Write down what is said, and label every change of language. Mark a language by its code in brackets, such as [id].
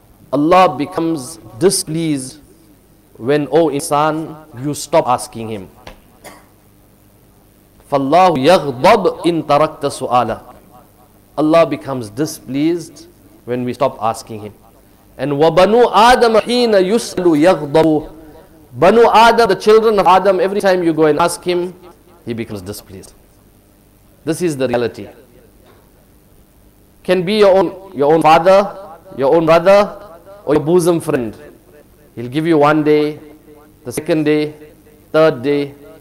[en] Allah becomes displeased when, O insan, you stop asking him. [ar] فَاللَّهُ يَغْضَبُ إِن تَرَكْتَ سُؤَالَ. [en] Allah becomes displeased when we stop asking him. And [ar] وَبَنُوا آدَمَ حِينَ يُسْلُ يَغْضَبُ. [en] Banu Adam, the children of Adam, every time you go and ask him, he becomes displeased. This is the reality. Can be your own father, your own brother, or your bosom friend. He'll give you one day, the second day, third day.